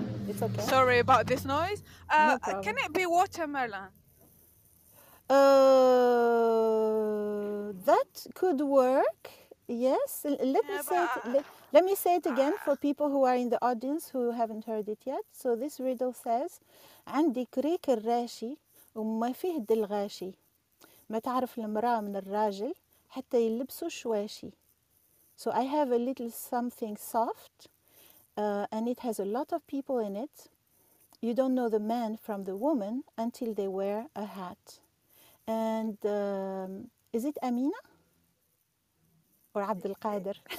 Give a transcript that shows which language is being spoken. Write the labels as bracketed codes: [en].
[en] It's okay. Sorry about this noise. No, can it be watermelon? That could work. Yes. Let me say it again for people who are in the audience who haven't heard it yet. So this riddle says, [ar] عندي كريك الراشي وما فيه دلغاشي ما تعرف المرأة من الراجل حتى يلبسوا شواشي. [en] So I have a little something soft and it has a lot of people in it. You don't know the man from the woman until they wear a hat. And is it Amina or Abd al Qadir?